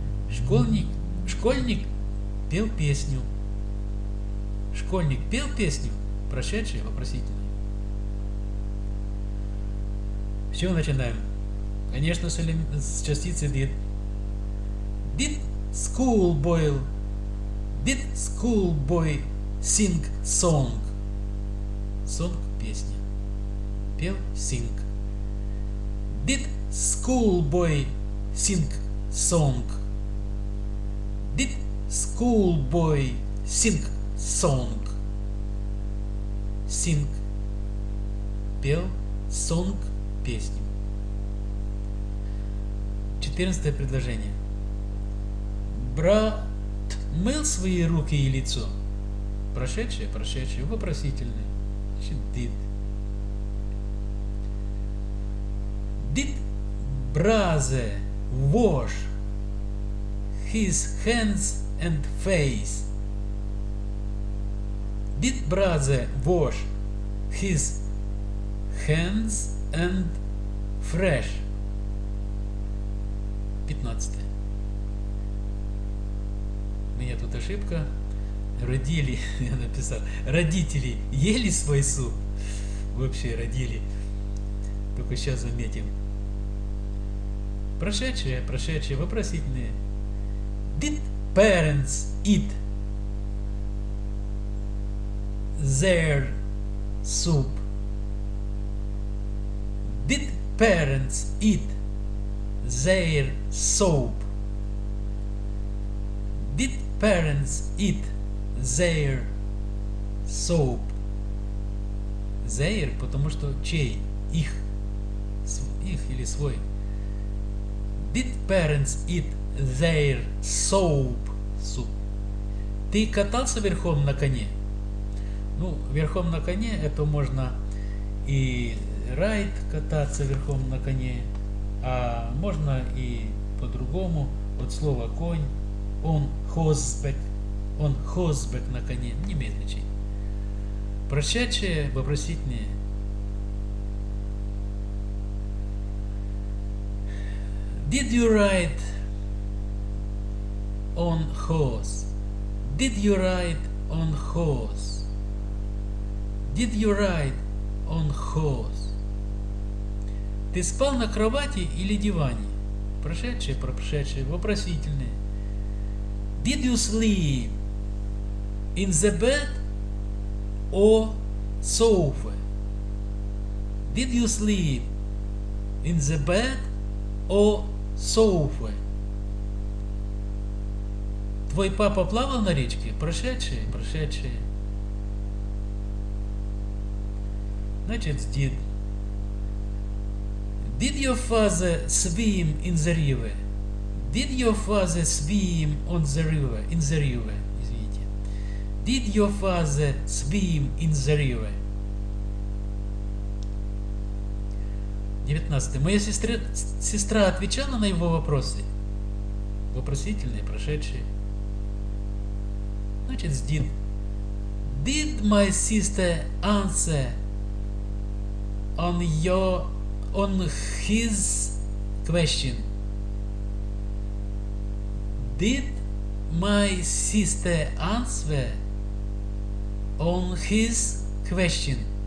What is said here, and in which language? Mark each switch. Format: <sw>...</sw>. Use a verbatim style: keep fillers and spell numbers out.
<ru>Школьник, школьник пел песню. Школьник пел песню, прошедший вопросительный. С чего начинаем? Конечно, с, элем... с частицы did.</ru> <en>Did school boy? Did school boy sing song?</en> <ru>Song – песня. Пел – sing.</ru> <en>Did school boy sing song? Did school boy sing song?</en> <ru>Sing – пел, song – песню. четырнадцатое предложение. Брат мыл свои руки и лицо. Прошедшее, прошедшее, вопросительное. Значит, did.</ru> <en>Did brother wash his hands and face? Did brother wash his hands and fresh?</en> <ru>Пятнадцатое. У меня тут ошибка. Родили, я написал. Родители ели свой суп. Вообще родили. Только сейчас заметим. Прошедшие, прошедшие, вопросительные.</ru> <en>Did parents eat their soup? Did parents eat their soup? Did parents eat their soup?</en> <ru>Their, потому что чей? Их. Их или свой.</ru> <en>Did parents eat their soup? Soup.</en> <ru>Ты катался верхом на коне? Ну, верхом на коне это можно и райд кататься верхом на коне, а можно и по-другому, от слова конь, он хозбек, он хозбек на коне, не имеет значения. Прошедшее, вопросительное.</ru> <en>Did you ride on horse? Did you ride on horse? Did you ride on horse?</en> <ru>Ты спал на кровати или диване? Прошедшие, прошедшие, вопросительные.</ru> <en>Did you sleep in the bed or sofa? Did you sleep in the bed or sofa?</en> <ru>Твой папа плавал на речке? Прошедшие, прошедшие. Значит, did.</ru> <en>Did your father swim in the river? Did your father swim on the river? In the river,</en> <ru>извините.</ru> <en>Did your father swim in the river?</en> <ru>девятнадцатое. Моя сестра, сестра отвечала на его вопросы? Вопросительные, прошедшие. Значит, did.</ru> <en>Did my sister answer on your on his question? Did my sister answer on his question?</en>